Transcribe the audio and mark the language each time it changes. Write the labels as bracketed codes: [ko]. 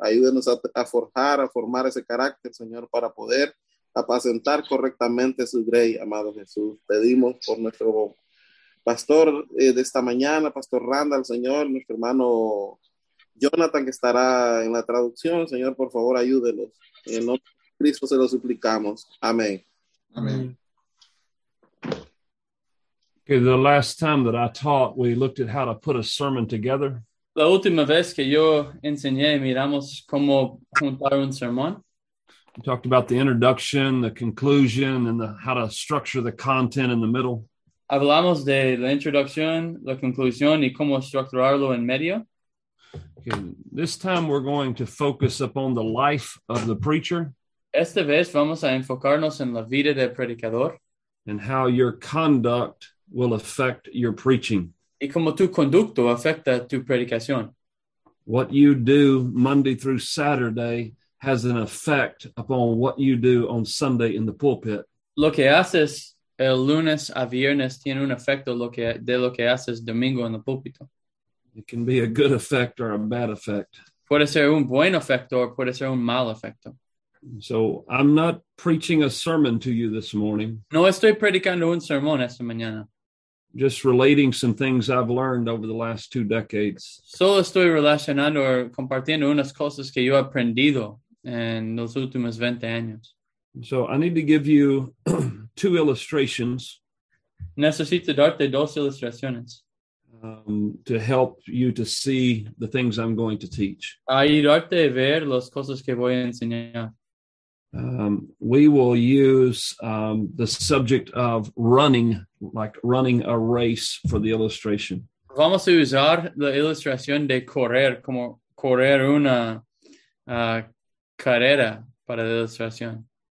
[es] Ayúdenos a formar ese carácter, Señor, para poder apacentar correctamente su grey, amado Jesús. Pedimos por nuestro pastor de esta mañana, Pastor Randall, Señor, nuestro hermano Jonathan, que estará en la traducción. Señor, por favor, ayúdenos. En el nombre de Cristo se lo suplicamos. Amén. [en] Amen. Okay, the last time that I taught, we looked at how to put a sermon together. [es] La última vez que yo enseñé, miramos cómo juntar un sermón. [en] We talked about the introduction, the conclusion, and how to structure the content in the middle. [es] Hablamos de la introducción, la conclusión y cómo estructurarlo en medio. [en] Okay, this time we're going to focus upon the life of the preacher. [es] Esta vez vamos a enfocarnos en la vida del predicador. [en] And how your conduct will affect your preaching. [es] Y cómo tu conducto afecta tu predicación. [en] What you do Monday through Saturday has an effect upon what you do on Sunday in the pulpit. [es] Lo que haces el lunes a viernes tiene un efecto de lo que haces domingo en el púlpito. [en] It can be a good effect or a bad effect. [es] Puede ser un buen efecto o puede ser un mal efecto. [en] So I'm not preaching a sermon to you this morning. [es] No estoy predicando un sermón esta mañana. [en] Just relating some things I've learned over the last two decades. [es] Solo estoy relacionando o compartiendo unas cosas que yo he aprendido en los últimos 20 años. [en] So I need to give you two illustrations. [es] Necesito darte dos ilustraciones. [en] To help you to see the things I'm going to teach. [es] Ayudarte a ver las cosas que voy a enseñar. [en] We will use the subject of running, like running a race, for the illustration. [es] Vamos a usar la ilustración de correr, como correr una carrera para la ilustración.